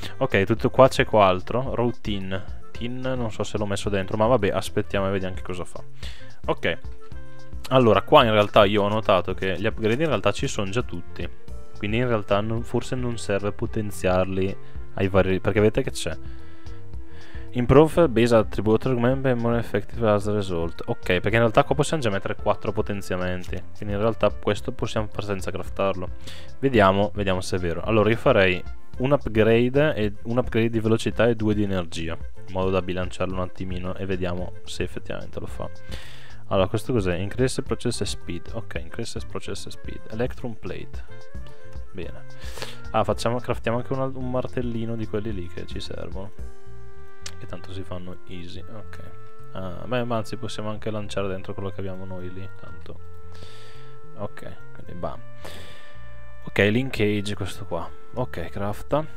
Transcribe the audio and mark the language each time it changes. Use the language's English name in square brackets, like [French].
[Italian] Ok, tutto qua, c'è qua altro. Routine. Tin, non so se l'ho messo dentro, ma vabbè, aspettiamo e vediamo che cosa fa. Ok. Allora, qua in realtà io ho notato che gli upgrade in realtà ci sono già tutti. Quindi in realtà non, forse non serve potenziarli ai vari... Perché vedete che c'è? [English] Improve base attribute, remember more effective as a result. [Italian] Ok, perché in realtà qua possiamo già mettere 4 potenziamenti. Quindi in realtà questo possiamo fare senza craftarlo. Vediamo, vediamo se è vero. Allora io farei un upgrade, e un upgrade di velocità e 2 di energia. In modo da bilanciarlo un attimino e vediamo se effettivamente lo fa. Allora, questo cos'è? [English] Increase process speed. Ok, increase process speed. Electrum plate. [Italian] Bene. Ah, facciamo, craftiamo anche un martellino di quelli lì che ci servono. Che tanto si fanno easy. Ok. Beh, anzi, possiamo anche lanciare dentro quello che abbiamo noi lì. Tanto. Ok, quindi bam. Ok, linkage, questo qua. Ok, crafta.